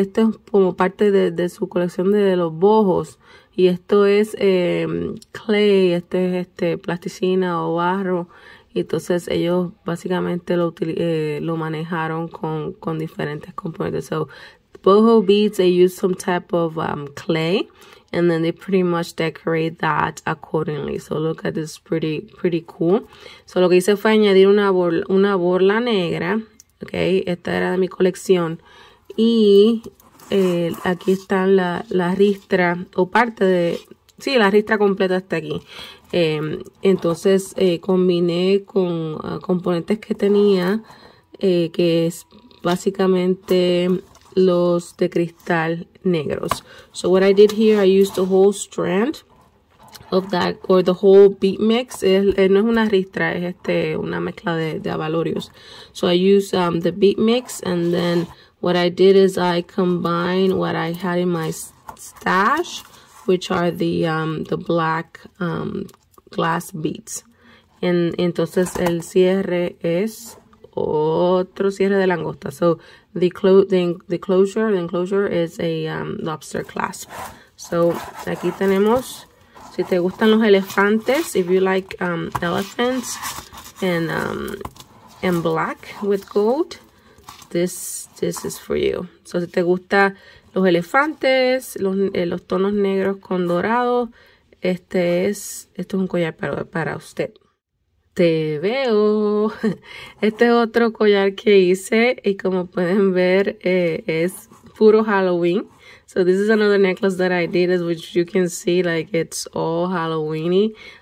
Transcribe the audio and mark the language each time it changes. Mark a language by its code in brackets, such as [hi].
[es] Esto es como parte de su colección de los bojos. Y esto es clay, esto es plasticina o barro. Y entonces ellos básicamente lo manejaron con diferentes componentes. [en] So, boho beads, they use some type of clay. And then they pretty much decorate that accordingly. So look at this, pretty cool. [es] So lo que hice fue añadir una borla negra. Ok, esta era de mi colección. Y aquí están la ristra, o parte de... Sí, la ristra completa está aquí. Entonces combiné con componentes que tenía, que es básicamente los de cristal negros. [en] So what I did here, I used the whole strand of that, or the whole bead mix. [es] No es una ristra, es una mezcla de abalorios. [en] So I use the bead mix, and then what I did is I combine what I had in my stash, which are the black glass beads. [es] And entonces el cierre es otro cierre de langosta. [en] So the enclosure is a lobster clasp. [es] So aquí tenemos. Si te gustan los elefantes, [en] if you like elephants and black with gold, this is for you. [es] So si te gustan los elefantes, los tonos negros con dorado, este es un collar para usted. ¡Te veo! Este es otro collar que hice y como pueden ver es puro Halloween. [en] So this is another necklace that I did, as which you can see, like it's all Halloween-y.